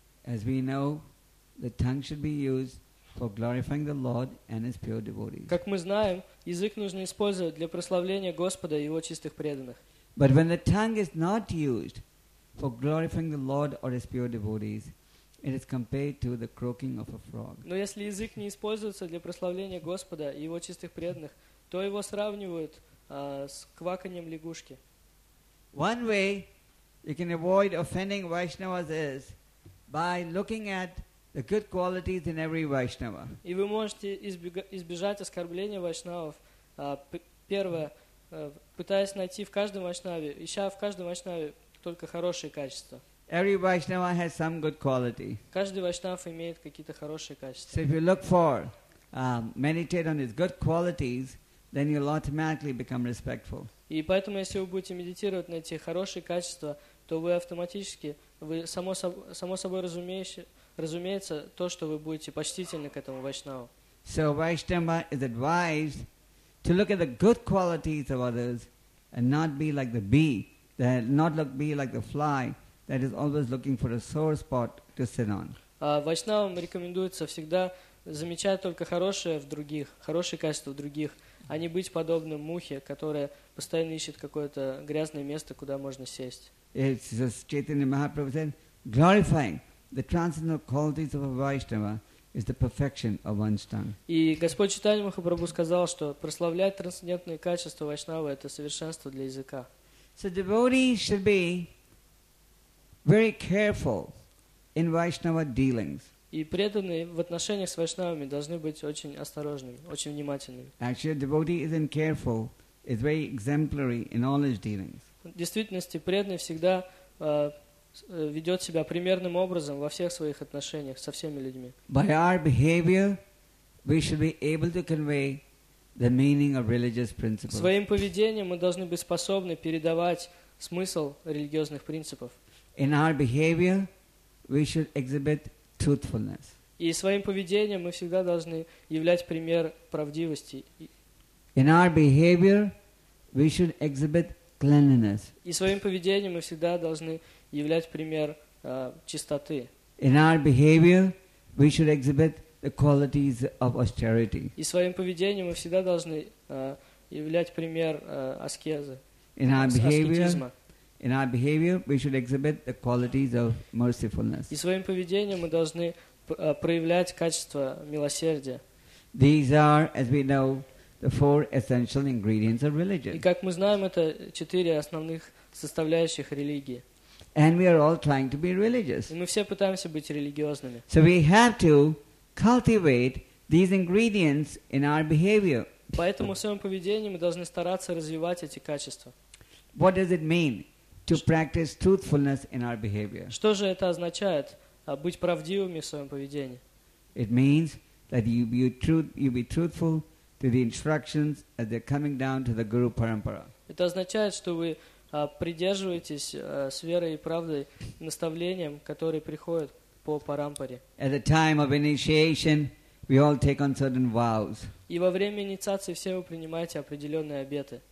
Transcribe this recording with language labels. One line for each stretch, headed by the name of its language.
English: As we know, the tongue should be used for glorifying the Lord and His pure devotees.
Russian: Как мы знаем, язык нужно использовать для прославления Господа и Его чистых преданных.
English: But when the tongue is not used for glorifying the Lord or His pure devotees, it is compared to the croaking of a frog.
Russian: Но если язык не используется для прославления Господа и Его чистых преданных, то его сравнивают с кваканьем лягушки.
English: One way you can avoid offending Vaishnavas is by looking at the good qualities in every Vaishnava.
Russian: И вы можете избежать оскорбления вайшнавов. Первое, пытаясь найти в каждом вайшнаве, ища в каждом вайшнаве только хорошие качества.
English: Every Vaishnava has some good quality.
Russian: Каждый вайшнав имеет какие-то хорошие качества.
English: So if you look for, meditate on his good qualities, then you'll automatically become respectful.
Russian: И поэтому, если вы будете медитировать на эти хорошие качества, то вы автоматически, вы само собой разумеется, то, что вы будете почтительны к этому вайшнаву.
English: So Vaishnava is advised to look at the good qualities of others and not be like the bee, that not look be like the fly that is always looking for a sore spot to sit on.
Russian: Вайшнавам рекомендуется всегда замечать только хорошее в других, хорошие качества в других, а не быть подобным мухе, которая постоянно ищет какое-то грязное место, куда можно сесть.
English: It's as Chaitanya Mahaprabhu said, glorifying the transcendental qualities of a Vaishnava is the perfection of one's tongue.
Russian: И Господь Чайтанья Махапрабху сказал, что прославлять трансцендентные качества вайшнава – это совершенство для языка.
English: So devotee should be very careful in Vaishnava dealings.
Russian: И преданные в отношениях с вайшнавами должны быть очень осторожными, очень внимательными.
English: Actually, a devotee isn't careful, is very exemplary in all his dealings.
Russian: В действительности, преданный всегда ведет себя примерным образом во всех своих отношениях со всеми людьми.
English: By our behavior, we should be able to convey the meaning of religious principles.
Russian: Своим поведением мы должны быть способны передавать смысл религиозных принципов.
English: In our behavior, we should exhibit truthfulness.
Russian: И своим поведением мы всегда должны являть пример правдивости.
English: In our behavior, we should exhibit cleanliness.
Russian: И своим поведением мы всегда должны являть пример чистоты.
English: In our behavior, we should exhibit the qualities of austerity.
Russian: И своим поведением мы всегда должны являть пример аскезы.
English: In our behavior, we should exhibit the qualities of mercifulness.
Russian: И своим поведением мы должны проявлять качество милосердия.
English: These are, as we know, the four essential ingredients of religion.
Russian: И как мы знаем, это четыре основных составляющих религии.
English: And we are all trying to be religious.
Russian: Мы все пытаемся быть религиозными.
English: So we have to cultivate these ingredients in our behavior.
Russian: Поэтому в своем поведении мы должны стараться развивать эти качества.
English: What does it mean to practice truthfulness in our behavior?
Russian: Что же это означает быть правдивыми в своем поведении?
English: It means that you be truthful to the instructions as they're coming down to the Guru Parampara.
Russian: Это означает, что вы придерживайтесь с верой и правдой наставлениям, которые приходят по парампаре.
English: At the time of initiation, we all take on certain vows.
Russian: И во время инициации все вы принимаете определенные обеты.